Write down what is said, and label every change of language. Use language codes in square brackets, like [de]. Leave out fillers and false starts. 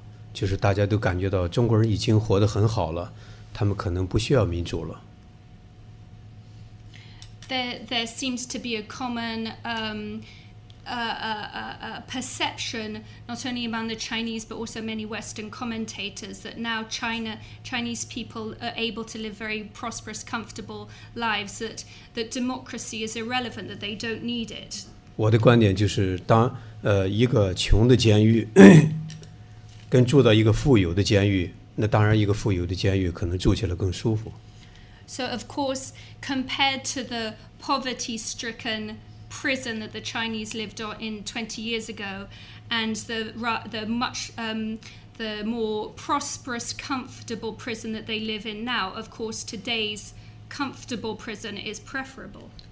[zh] 你觉得二十年以后还有人还有那种对民主的一个想要得到民主的那种渴望，或者是不是那个恐惧，还有那个金钱让他们麻木化了，这些他们对民主其实没什么感觉了。我想一个最大的就是西方人对中国的理解也有一个误差，就是大家都感觉到中国人已经活得很好了。 [en] There seems to be a common perception, not only among the Chinese but also many Western commentators, that now Chinese people are able to live very prosperous, comfortable lives, that democracy is irrelevant, that they don't need it. [zh] 我的观点就是，当一个穷的监狱跟住到一个富有的监狱。 [en] So, of course, compared to the poverty-stricken prison that the Chinese lived in 20 years ago, and the more prosperous, comfortable prison that they live in now, of course, today's comfortable prison is preferable.